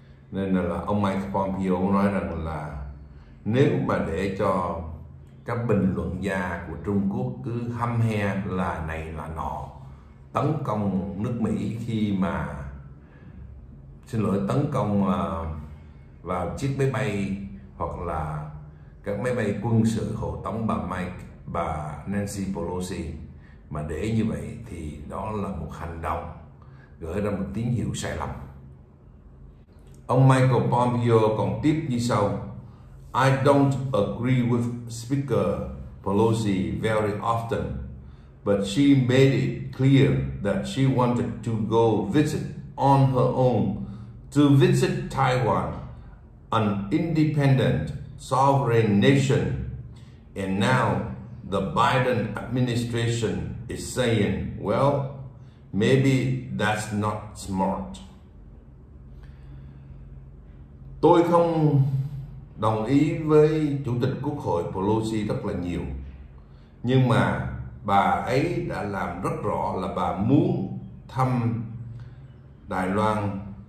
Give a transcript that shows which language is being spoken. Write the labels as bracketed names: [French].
[Vietnamese] Nên là ông Mike Pompeo nói rằng là nếu mà để cho các bình luận gia của Trung Quốc cứ hăm he là này là nọ, tấn công nước Mỹ khi mà, xin lỗi, tấn công vào chiếc máy bay hoặc là các máy bay quân sự hộ tống bà Mike, bà Nancy Pelosi, mà để như vậy thì đó là một hành động gửi ra một tín hiệu sai lầm. Ông Michael Pompeo còn tiếp như sau: [English] I don't agree with Speaker Pelosi very often, but she made it clear that she wanted to go visit on her own, to visit Taiwan, an independent sovereign nation. And now the Biden administration is saying, well, maybe that's not smart. [Vietnamese] Tôi không đồng ý với Chủ tịch Quốc hội Pelosi rất là nhiều, nhưng mà bà ấy đã làm rất rõ là bà muốn thăm Đài Loan.